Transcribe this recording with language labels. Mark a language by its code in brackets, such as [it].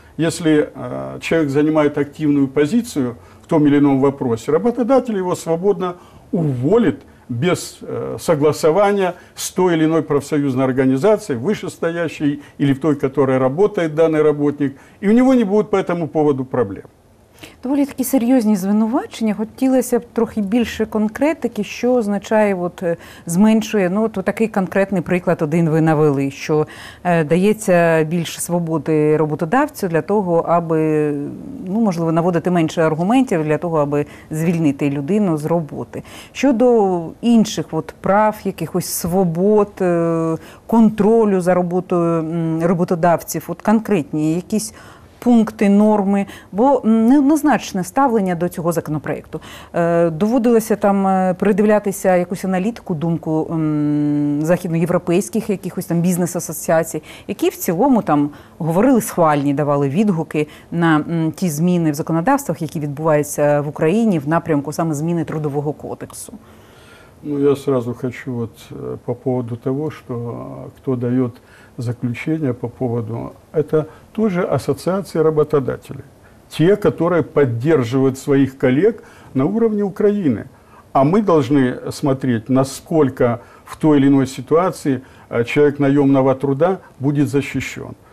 [ru] Если человек занимает активную позицию в том или ином вопросе, работодатель его свободно уволит без согласования с той или иной профсоюзной организацией, вышестоящей или в той, которая работает данный работник, и у него не будет по этому поводу проблем. [uk] Доволі такі серйозні звинувачення. Хотілося б трохи більше конкретики, що означає, от, зменшує. Ну, от такий конкретний приклад один ви навели, що дається більше свободи роботодавцю для того, аби, ну, можливо, наводити менше аргументів для того, аби звільнити людину з роботи. Щодо інших от, прав, якихось свобод, контролю за роботою роботодавців, от конкретні якісь пункти, норми, бо неоднозначне ставлення до цього законопроекту. Доводилося там передивлятися якусь аналітику, думку західноєвропейських якихось там бізнес-асоціацій, які в цілому там говорили схвальні, давали відгуки на ті зміни в законодавствах, які відбуваються в Україні в напрямку саме зміни трудового кодексу. [ru] Ну, я сразу хочу от по поводу того, [uk] що хто дає [ru] заключение по поводу, это тоже ассоциации работодателей, те, которые поддерживают своих коллег на уровне Украины. А мы должны смотреть, насколько в той или иной ситуации человек наемного труда будет защищен.